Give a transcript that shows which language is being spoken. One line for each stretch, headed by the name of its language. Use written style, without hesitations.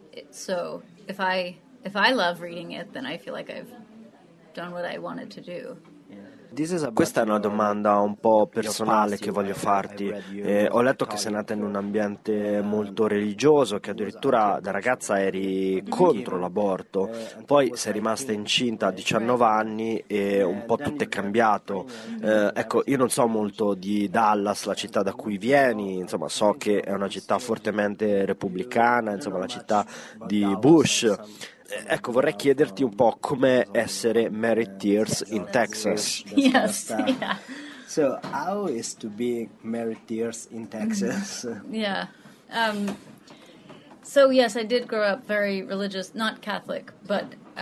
English: So if I love reading it, then I feel like I've done what I wanted to do.
Italian: Questa è una domanda un po' personale che voglio farti. Ho letto che sei nata in un ambiente molto religioso, che addirittura da ragazza eri contro l'aborto. Poi sei rimasta incinta a 19 anni e un po' tutto è cambiato. Ecco, io non so molto di Dallas, la città da cui vieni. Insomma, so che è una città fortemente repubblicana, insomma, la città di Bush. Ecco, vorrei chiederti un po' com'è essere Mary Tears in Texas.
English: Yes, yeah. So, how is to be Mary Tears in Texas? Yeah. So, yes, I did grow up very religious, not Catholic, but...